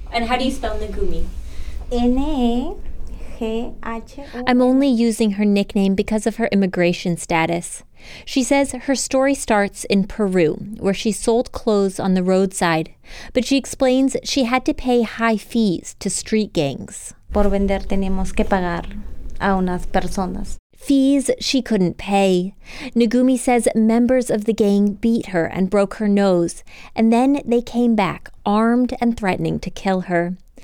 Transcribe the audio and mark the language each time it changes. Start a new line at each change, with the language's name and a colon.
English: And how do you spell Nagumi? N-A-G-H-O-M-I. I'm only using her nickname because of her immigration status. She says her story starts in Peru, where she sold clothes on the roadside. But she explains she had to pay high fees to street gangs.
Spanish: Por vender tenemos que pagar a unas personas.
English: Fees she couldn't pay. Nagumi says members of the gang beat her and broke her nose, and then they came back, armed and threatening to kill her.